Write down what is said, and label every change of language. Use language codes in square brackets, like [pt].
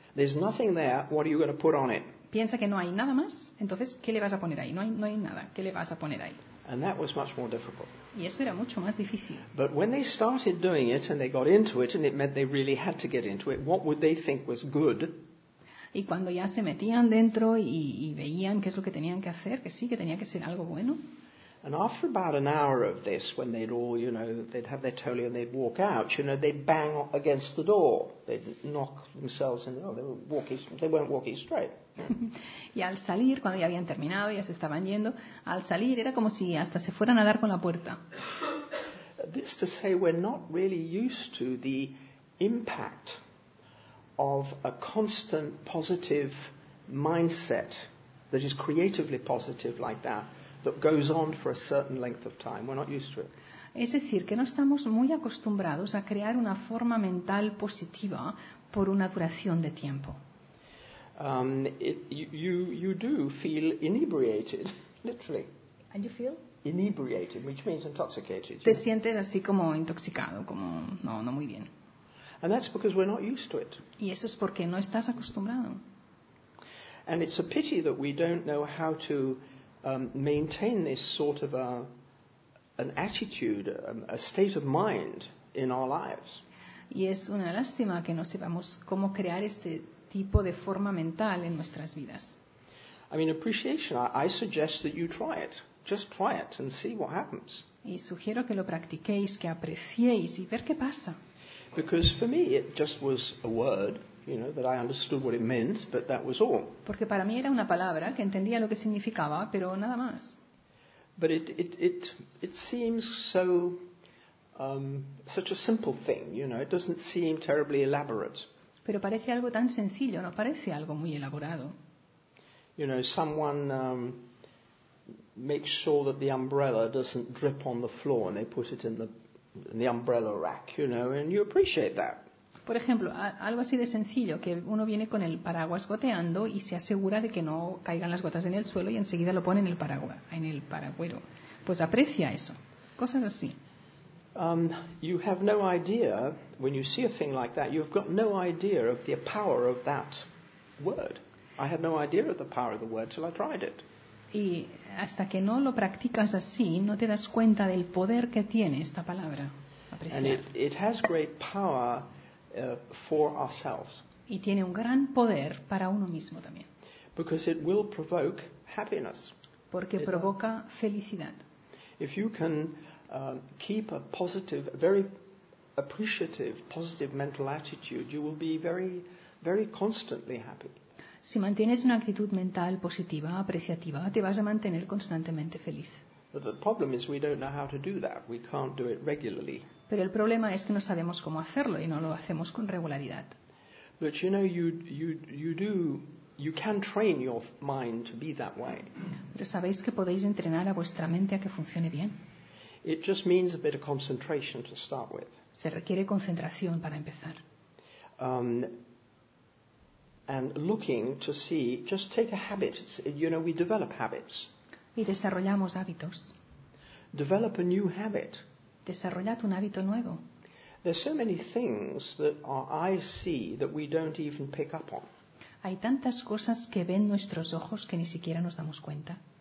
[en] There's nothing there, what are you going to put on it? [es] Piensa que no hay nada más, entonces, ¿qué le vas a poner ahí? No hay nada, ¿qué le vas a poner ahí? [en] And that was much more difficult. [es] Y eso era mucho más difícil. [en] But when they started doing it and they got into it and it meant they really had to get into it, what would they think was good? [es] Y cuando ya se metían dentro y veían qué es lo que tenían que hacer, que sí, que tenía que ser algo bueno. [en] And after about an hour of this, when they'd all, you know, they'd have their toli and they'd walk out, you know, they'd bang against the door. They'd knock themselves in, they weren't walking straight. [es] Y al salir, cuando ya habían terminado, ya se estaban yendo, al salir era como si hasta se fueran a dar con la puerta. [en] This to say we're not really used to the impact of a constant positive mindset that is creatively positive like that, that goes on for a certain length of time. We're not used to it. [es] Es decir, que no estamos muy acostumbrados a crear una forma mental positiva por una duración de tiempo. [en] You do feel inebriated, literally. And you feel? Inebriated, which means intoxicated. [es] Te sientes así como intoxicado, como no muy bien. [en] And that's because we're not used to it. [es] Y eso es porque no estás acostumbrado. [en] And it's a pity that we don't know how to maintain this sort of an attitude, a state of mind in our lives. [es] Y es una lástima que no sepamos cómo crear este tipo de forma mental en nuestras vidas. [en] I mean, appreciation, I suggest that you try it. Just try it and see what happens. [es] Y sugiero que lo practiquéis, que apreciéis y ver qué pasa. [en] Because for me it just was a word. You know, that I understood what it meant, but that was all. [es] Porque para mí era una palabra que entendía lo que significaba, pero nada más. [en] But it seems so such a simple thing, you know. It doesn't seem terribly elaborate. [es] Pero parece algo tan sencillo, no parece algo muy elaborado. [en] You know, someone makes sure that the umbrella doesn't drip on the floor, and they put it in the umbrella rack, you know, and you appreciate that. [es] Por ejemplo, algo así de sencillo, que uno viene con el paraguas goteando y se asegura de que no caigan las gotas en el suelo y enseguida lo pone en el paraguas, en el paragüero. Pues aprecia eso. Cosas así. [en] You have no idea, when you see a thing like that, you've got no idea of the power of that word. I had no idea of the power of the word till I tried it. [es] Y hasta que no lo practicas así, no te das cuenta del poder que tiene esta palabra. Apreciar. [en] And it has great power for ourselves. [es] Y tiene un gran poder para uno mismo también. [en] Because it will provoke happiness. [es] Porque [en] it [es] provoca felicidad. [en] If you can keep a positive, very appreciative, positive mental attitude, you will be very, very constantly happy. [es] Si mantienes una actitud mental positiva, apreciativa, te vas a mantener constantemente feliz. [en] But the problem is we don't know how to do that. We can't do it regularly. [es] Pero el problema es que no sabemos cómo hacerlo y no lo hacemos con regularidad. [en] But you know, you can train your mind to be that way. [es] Pero sabéis que podéis entrenar a vuestra mente a que funcione bien. [en] It just means a bit of concentration to start with. [es] Se requiere concentración para empezar. [en] And looking to see, just take a habit. You know, we develop habits. [es] Y desarrollamos hábitos. [en] Develop a new habit. [es] Desarrollad un hábito nuevo. [en] There's so many things that our eyes see that we don't even pick up on. [es] Hay tantas cosas que ven nuestros ojos que ni siquiera nos damos cuenta.